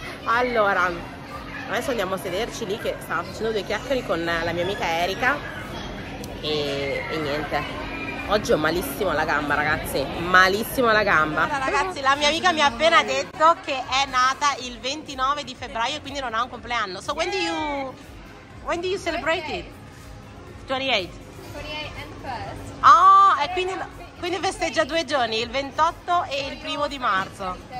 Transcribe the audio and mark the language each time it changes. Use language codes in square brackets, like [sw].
[it] Allora, adesso andiamo a sederci lì, che stavo facendo due chiacchiere con la mia amica Erika. E niente, oggi ho malissimo la gamba, ragazzi. Malissimo la gamba. Allora, ragazzi, la mia amica mi ha appena detto che è nata il 29 di febbraio e quindi non ha un compleanno. [en] So, when do you celebrate it? 28 and 1st. [it] Oh, e quindi festeggia due giorni, il 28 e il primo di marzo.